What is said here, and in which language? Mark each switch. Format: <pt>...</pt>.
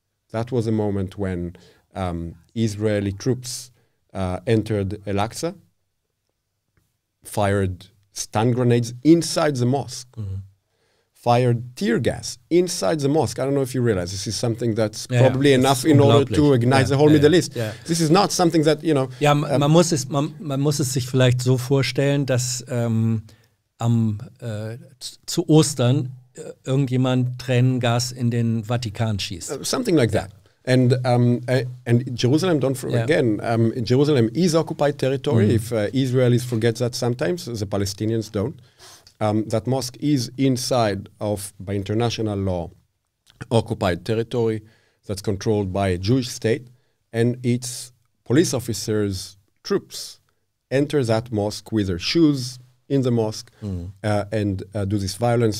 <en>That was a moment when Israeli troops entered Al-Aqsa, fired stun grenades inside the mosque, fired tear gas inside the mosque. I don't know if you realize this is something that's probably enough in order to ignite the whole Middle East. Yeah. This is not something that, you know...</en> <de>Ja, man muss es sich vielleicht so vorstellen, dass zu Ostern irgendjemand Tränengas in den Vatikan schießt.</de> <en>Something like that. And and Jerusalem, don't forget, again, Jerusalem is occupied territory. Mm. If Israelis forget that sometimes, the Palestinians don't. That mosque is inside of, by international law, occupied territory that's controlled by a Jewish state, and its police officers, troops, enter that mosque with their shoes in the mosque and do this violence.</en>